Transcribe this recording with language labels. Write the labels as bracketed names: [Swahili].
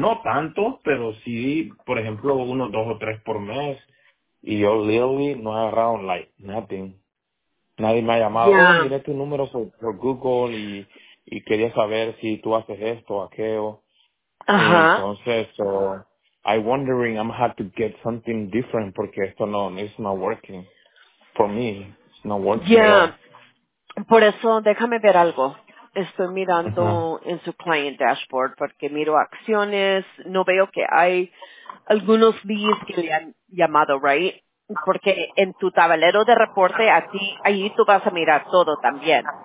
[Spanish] No tanto, pero sí, por ejemplo, 1, 2 o 3 por mes. Y yo literally no he agarrado [English] like nothing. [Spanish] Nadie me ha llamado. Yeah. Mira tu número por Google y quería saber si tú haces esto o aquello. Ajá. [English] I'm wondering, I'm have to get something different [Spanish] porque esto no, [English] it's not working. For me, it's not working. [Spanish] Yeah. Por eso, déjame ver algo. Estoy mirando en su client dashboard porque miro acciones. No veo que hay algunos leads que le han llamado, right? Porque en tu tablero de reporte, a ti, ahí tú vas a mirar todo también.